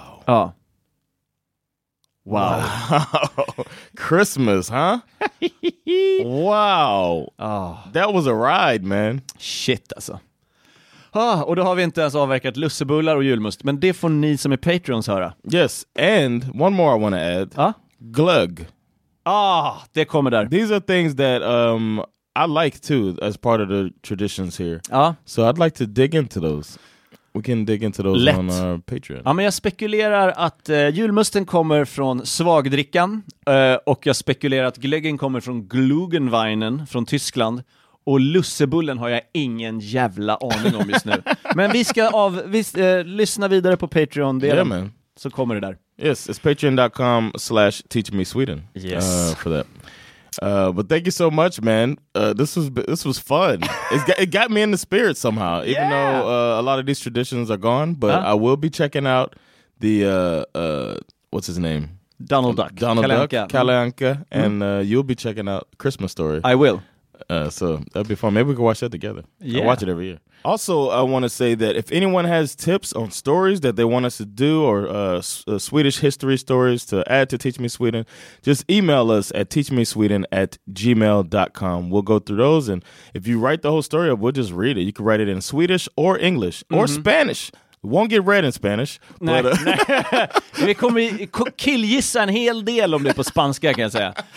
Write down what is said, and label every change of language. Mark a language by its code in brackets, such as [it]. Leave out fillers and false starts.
[sv] Ja. [en] Wow. Christmas, huh? Wow. Oh. That was a ride, man. [sv] Shit, alltså. Och då har vi inte ens avverkat lussebullar och julmust. Men det får ni som är patrons höra. [en] Yes, and one more I want to add. [sv] Glögg. Det kommer där. [en] These are things that I like too, as part of the traditions here. So I'd like to dig into those. We can dig into those [sv] lätt [en] on our Patreon. [sv] Ja, men jag spekulerar att julmusten kommer från svagdrickan. Och jag spekulerar att glöggen kommer från Glugenweinen från Tyskland. Och lussebullen har jag ingen jävla aning om just nu. Men vi ska lyssna vidare på Patreon. [en] Yeah, man. [sv] Så kommer det där. [en] Yes, it's patreon.com/teachmesweden. Yes. For that. But thank you so much, man. This was fun. It got me in the spirit somehow. Yeah. Even though a lot of these traditions are gone. But I will be checking out the, what's his name? Donald Duck. Kalle Anka. And you'll be checking out Christmas Story. I will. So that'd be fun. Maybe we could watch that together. Yeah. I watch it every year. Also, I want to say that if anyone has tips on stories that they want us to do, or Swedish history stories to add to Teach Me Sweden, just email us at teachmesweden@gmail.com. We'll go through those, and if you write the whole story up, we'll just read it. You can write it in Swedish or English or Spanish. Won't get red in Spanish. [sv] Nej, but, nej. Vi kommer killgissa en hel del om det på spanska, kan jag säga.